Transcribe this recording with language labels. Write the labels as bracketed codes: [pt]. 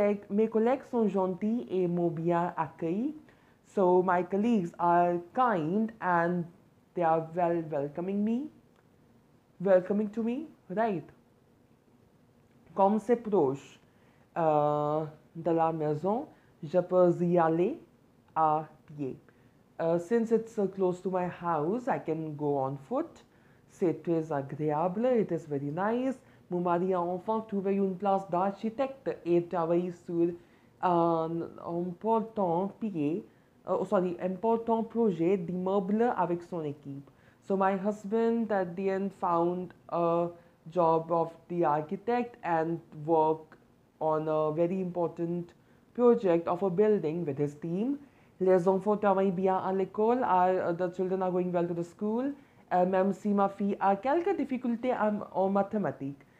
[fr] Mes collègues sont gentils et m'ont bien accueilli. [en] So my colleagues are kind and they are welcoming to me, right? [fr] Comme c'est proche de la maison, je peux y aller à pied. [en] Since it's close to my house, I can go on foot. [fr] C'est très agréable. [en] It is very nice. [fr] Mon mari a enfin trouvé une place d'architecte et travaille sur un important projet d'immeuble avec son équipe. [en] So my husband at the end found a job of the architect and work on a very important project of a building with his team. [fr] Les enfants travaillent bien à l'école. [en] The children are going well to the school. [fr] Même si ma fille a quelques difficultés en mathématiques.